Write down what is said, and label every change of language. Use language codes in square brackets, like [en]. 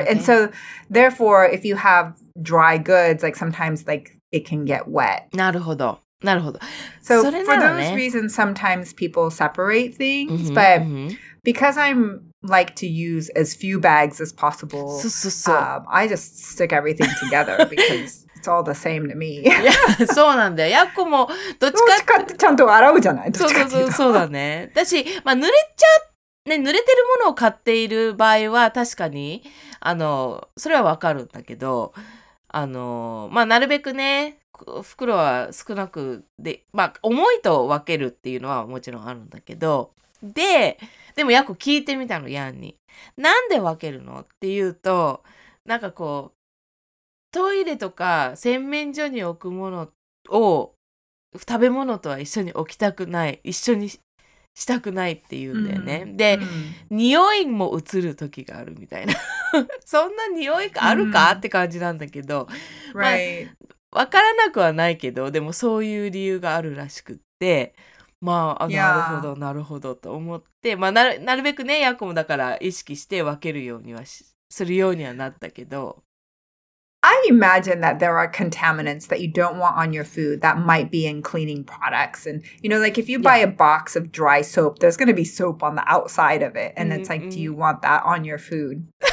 [en] Okay. And so, therefore, if you have dry goods, like sometimes like, it can get wet. [ja] なるほど。なるほど。 [en] So, for those reasons, sometimes people separate things, mm-hmm, but mm-hmm. because I'm like to use as few bags as possible, I just stick everything together because... It's all the same to me. [ja] そうなんだよ。ヤッコもどっちかってちゃんと洗うじゃない。そうそうそうそうだね。だし、まあ濡れちゃね濡れてるものを買っている場合は確かにあのそれはわかるんだけど、あのまあなるべくね袋は少なくでまあ重いと分けるっていうのはもちろんあるんだけど、ででもヤッコ聞いてみたのヤンに、なんで分けるのっていうとなんかこう。トイレとか洗面所に置くものを食べ物とは一緒に置きたくない、一緒にしたくないっていうんだよね。うん、で、うん、匂いも移る時があるみたいな。そんな匂いあるか、うん、って感じなんだけど、まあ、わからなくはないけど、でもそういう理由があるらしくって、まあ、あ、なるほど、なるほどと思って、まあ、なるべくね、ヤコもだから意識して分けるようにはするようにはなったけど、 [en] I imagine that there are contaminants that you don't want on your food that might be in cleaning products. And, you know, like if you buy a box of dry soap, there's going to be soap on the outside of it. And it's like, do you want that on your food?